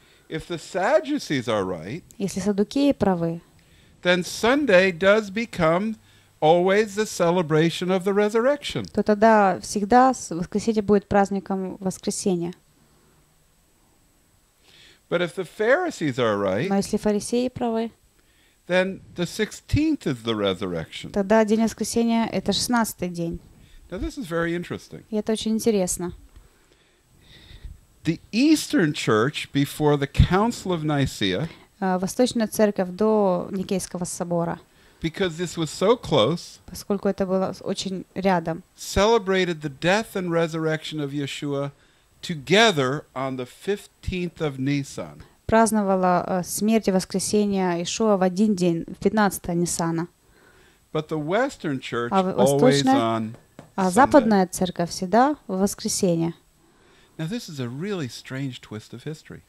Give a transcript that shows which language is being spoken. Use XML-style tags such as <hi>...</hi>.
<ru>Если саддукеи правы, то тогда всегда воскресенье будет праздником воскресения.</ru> <en>But if the Pharisees are right,</en> <ru>но если фарисеи правы,</ru> <en>then the 16th is the resurrection.</en> <ru>Тогда день воскресения — это 16-й день.</ru> <en>Now this is very interesting.</en> <ru>И это очень интересно.</ru> <en>The Eastern Church before the Council of Nicaea.</en> <ru>Восточная церковь до Никейского собора.</ru> <en>Because this was so close.</en> <ru>Поскольку это было очень рядом.</ru> <en>Celebrated the death and resurrection of Yeshua. Together on the 15th of Nisan.</en> <ru>Праздновала смерть и воскресение Иешуа в один день, в 15-е Нисана.</ru> <en>But the Western Church always on Sunday.</en> <ru>А западная церковь всегда в воскресенье.</ru> <en>Now this is a really strange twist of history.</en>